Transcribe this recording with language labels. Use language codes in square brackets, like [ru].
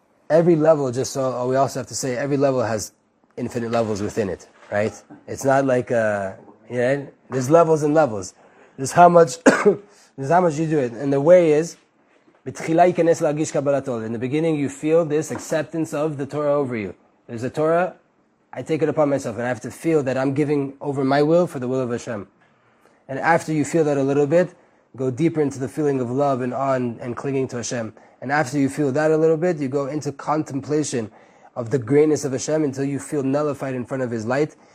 [en] Every level, every level has infinite levels within it, right? It's not like, there's levels and levels. This is how much you do it. And the way is, [he] בתחילה ייכנס להרגיש קבלת עול. [en] In the beginning, you feel this acceptance of the Torah over you. There's a Torah, I take it upon myself, and I have to feel that I'm giving over my will for the will of Hashem. And after you feel that a little bit, go deeper into the feeling of love and awe and clinging to Hashem. And after you feel that a little bit, you go into contemplation of the greatness of Hashem until you feel nullified in front of His light.